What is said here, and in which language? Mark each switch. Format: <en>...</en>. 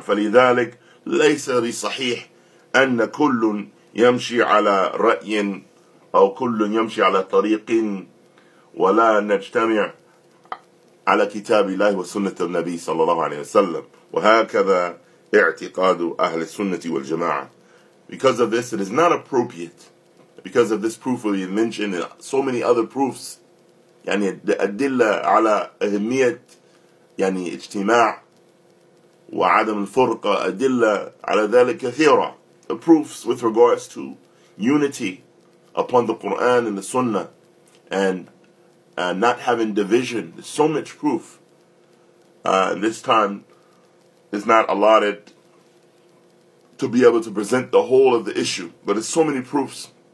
<ar>فلذلك ليس بصحيح أن كل يمشي على رأي أو كل يمشي على طريق ولا نجتمع على كتاب الله وسنة النبي صلى الله عليه وسلم. وهكذا اعتقاد أهل السنة والجماعة.</ar> <en>Because of this, it is not appropriate. Because of this proof we mentioned and so many other proofs,</en> <ar>يعني الأدلة على أهمية يعني اجتماع وعدم الفرقة, أدلة على ذلك كثيرة.</ar> <en>The proofs with regards to unity upon the Quran and the Sunnah and not having division. There's so much proof. This time is not allotted to be able to present the whole of the issue, but there's so many proofs.</en>